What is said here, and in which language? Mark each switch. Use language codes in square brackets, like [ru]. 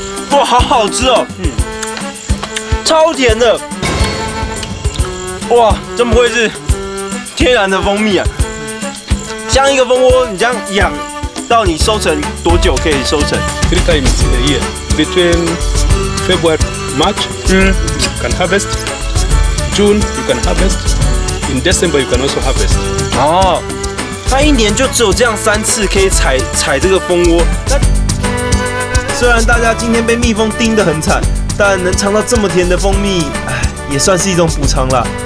[zh] 哇，好好吃哦。超甜的。哇，真不愧是天然的蜂蜜啊！像一个蜂窝，你这样养。到你收成多久可以收成 [en] ？Three times in a year, between February, March, you can harvest. June, you can harvest. In December, you can also harvest. [zh] 哦，它一年就只有这样三次可以采这个蜂窝。虽然大家今天被蜜蜂叮得很惨，但能尝到这么甜的蜂蜜，也算是一种补偿了。